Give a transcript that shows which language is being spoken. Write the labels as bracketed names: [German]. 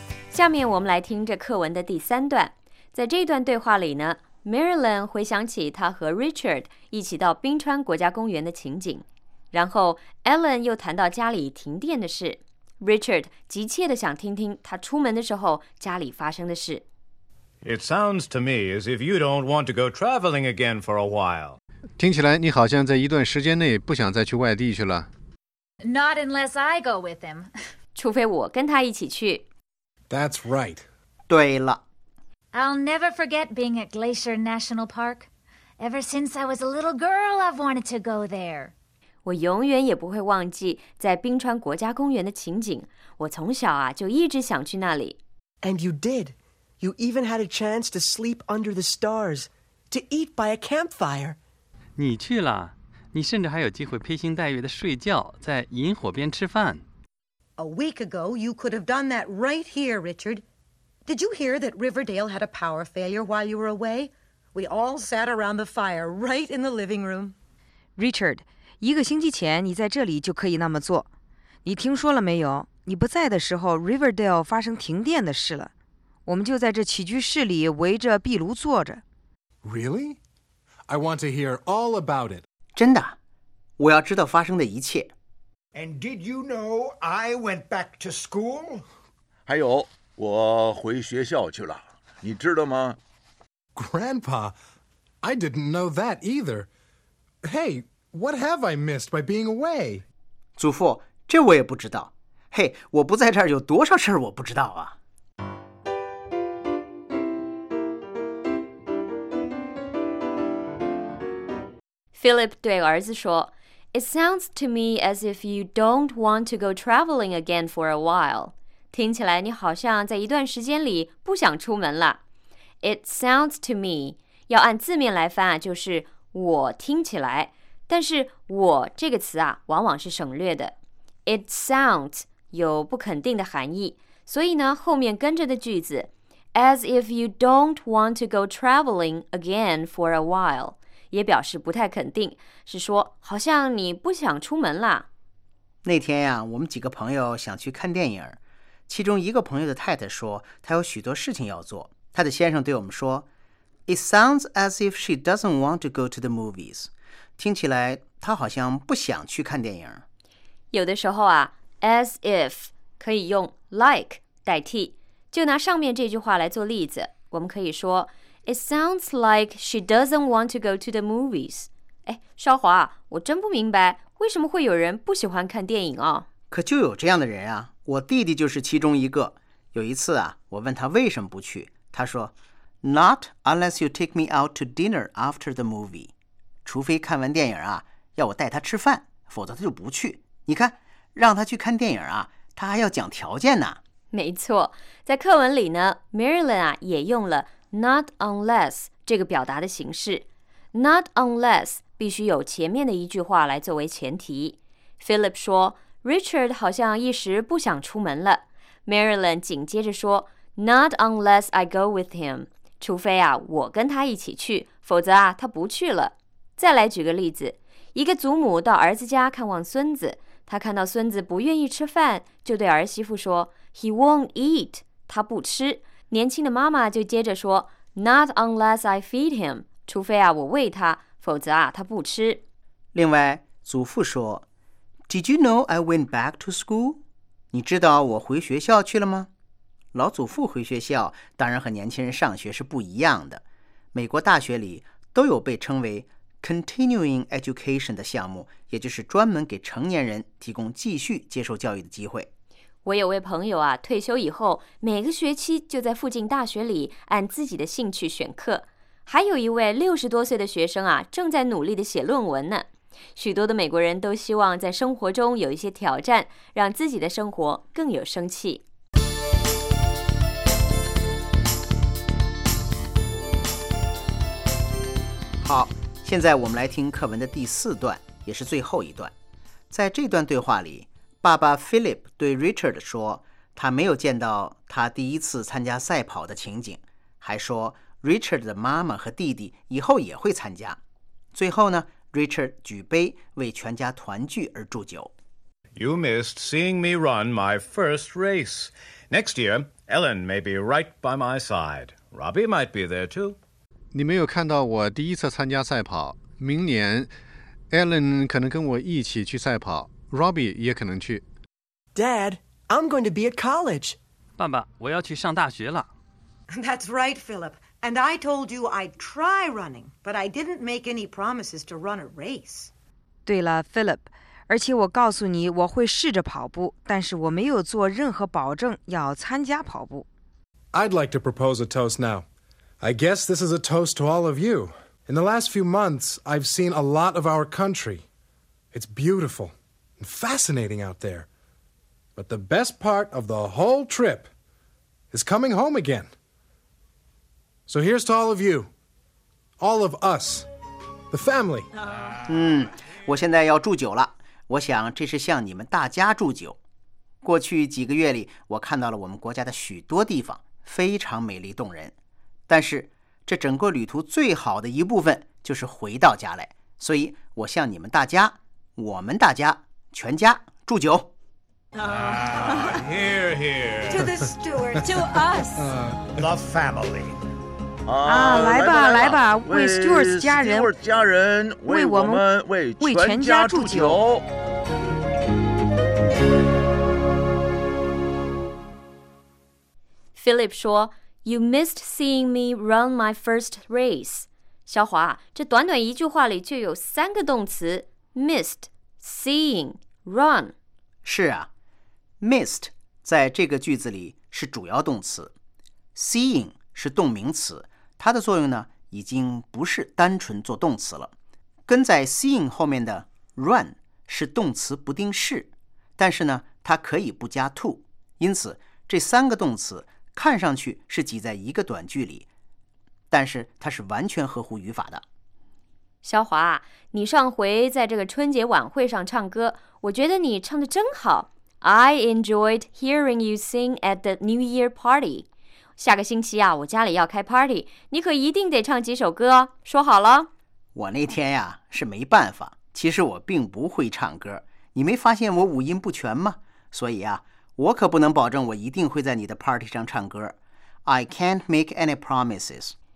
[Chinese] 下面我们来听这课文的第三段。在这段对话里呢 ，Marilyn 回想起她和 Richard 一起到冰川国家公园的情景，然后 Ellen 又谈到家里停电的事。 Richard 急切地想听听他出门的时候家里发生的事。 [English] It sounds to me as if you don't want to go traveling again for a while. [Chinese] 听起来你好像在一段时间内不想再去外地去了。 [English] Not unless I go with him. [Chinese] 除非我跟他一起去。 [English] That's right. [Chinese] 对了。 [English] I'll never forget being at Glacier National Park. Ever since I was a little girl, I've wanted to go there. [Chinese] 我永远也不会忘记在冰川国家公园的情景。我从小啊就一直想去那里。 [English] And you did. You even had a chance to sleep under the stars, to eat by a campfire. [Chinese] 你去了，你甚至还有机会披星戴月的睡觉，在萤火边吃饭。 [English] A week ago, you could have done that right here, Richard. Did you hear that Riverdale had a power failure while you were away? We all sat around the fire right in the living room. [Chinese] Richard, 一个星期前你在这里就可以那么做。你听说了没有？你不在的时候 ，Riverdale 发生停电的事了。我们就在这起居室里围着壁炉坐着。 [English] Really? I want to hear all about it. [Chinese] 真的，我要知道发生的一切。 [English] And did you know I went back to school? [Chinese] 还有，我回学校去了，你知道吗 [English] ？Grandpa, I didn't know that either. Hey, what have I missed by being away? [Chinese] 祖父，这我也不知道。嘿，我不在这儿有多少事儿我不知道啊。 [English] Philip [Chinese] 对儿子说 [English] It sounds to me as if you don't want to go traveling again for a while. [Chinese] 听起来你好像在一段时间里不想出门了。 [English] It sounds to me, [Chinese] 要按字面来翻啊，就是我听起来。但是我这个词啊，往往是省略的。 [English] It sounds [Chinese] 有不肯定的含义，所以呢，后面跟着的句子 [English] As if you don't want to go traveling again for a while. [Chinese] 也表示不太肯定，是说好像你不想出门了。那天呀、啊，我们几个朋友想去看电影，其中一个朋友的太太说她有许多事情要做。她的先生对我们说 [English] ：“It sounds as if she doesn't want to go to the movies。” [Chinese] 听起来她好像不想去看电影。有的时候啊 ，as if 可以用 like 代替，就拿上面这句话来做例子，我们可以说。 [English] It sounds like she doesn't want to go to the movies. [Chinese] 哎，肖华，我真不明白为什么会有人不喜欢看电影啊？可就有这样的人啊！我弟弟就是其中一个。有一次啊，我问他为什么不去，他说 [English] ，Not unless you take me out to dinner after the movie. [Chinese] 除非看完电影啊，要我带他吃饭，否则他就不去。你看，让他去看电影啊，他还要讲条件呢。没错，在课文里呢 ，Marilyn 啊也用了。 Not unless 这个表达的形式 ，Not unless 必须有前面的一句话来作为前提。 Philip 说 ,Richard 好像一时不想出门了。 Marilyn 紧接着说 , [English] Not unless I go with him, [Chinese] 除非啊我跟他一起去，否则啊他不去了。再来举个例子，一个祖母到儿子家看望孙子，他看到孙子不愿意吃饭，就对儿媳妇说 , [English] He won't eat, [Chinese] 他不吃。年轻的妈妈就接着说 , [English] Not unless I feed him, [Chinese] 除非啊我喂他，否则啊他不吃。另外祖父说 [English] ,Did you know I went back to school? [Chinese] 你知道我回学校去了吗？老祖父回学校当然和年轻人上学是不一样的。美国大学里都有被称为 continuing education 的项目，也就是专门给成年人提供继续接受教育的机会。我有位朋友啊，退休以后每个学期就在附近大学里按自己的兴趣选课。还有一位60多岁的学生啊，正在努力地写论文呢。许多的美国人都希望在生活中有一些挑战，让自己的生活更有生气。好，现在我们来听课文的第四段，也是最后一段。在这段对话里，爸爸 Philip 对 Richard 说，他没有见到他第一次参加赛跑的情景，还说 Richard 的妈妈和弟弟以后也会参加。最后呢，Richard 举杯为全家团聚而祝酒。 [English] You missed seeing me run my first race. Next year, Ellen may be right by my side. Robbie might be there too. [Chinese] 你没有看到我第一次参加赛跑。明年 ，Ellen 可能跟我一起去赛跑 ，Robbie 也可能去。 [English] Dad, I'm going to be at college. [Chinese] 爸爸，我要去上大学了。 [English] That's right, Philip. And I told you I'd try running, but I didn't make any promises to run a race. [Chinese] 对了 ,Philip, 而且我告诉你我会试着跑步，但是我没有做任何保证要参加跑步。 [English] I'd like to propose a toast now. I guess this is a toast to all of you. In the last few months, I've seen a lot of our country. It's beautiful and fascinating out there. But the best part of the whole trip is coming home again. So here's to all of you, all of us, the family. [Chinese] 我现在要祝酒了。我想这是向你们大家祝酒。过去几个月里，我看到了我们国家的许多地方，非常美丽动人。但是，这整个旅途最好的一部分就是回到家来。所以，我向你们大家，我们大家，全家祝酒。 [English] Here, here. To the steward, to us. The family. [Chinese] 来吧来吧，为 Stewart 家人，为 Stewart 家人，为我们，为全家祝酒。 [English] Philip 说 ,You missed seeing me run my first race. [Chinese] 小华，这短短一句话里就有三个动词 ,missed, seeing, run。是啊 ,missed 在这个句子里是主要动词 ,seeing 是动名词。它的作用呢，已经不是单纯做动词了。跟在 seeing 后面的 run 是动词不定式，但是呢，它可以不加 to。因此，这三个动词看上去是挤在一个短句里，但是它是完全合乎语法的。小华，你上回在这个春节晚会上唱歌，我觉得你唱得真好。 [English] I enjoyed hearing you sing at the New Year party. [Chinese] 下个星期啊，我家里要开 party， 你可一定得唱几首歌，说好了。我那天呀，是没办法，其实我并不会唱歌，你没发现我五音不全吗？所以啊，我可不能保证我一定会在你的 party 上唱歌。 [English] I can't make any promises。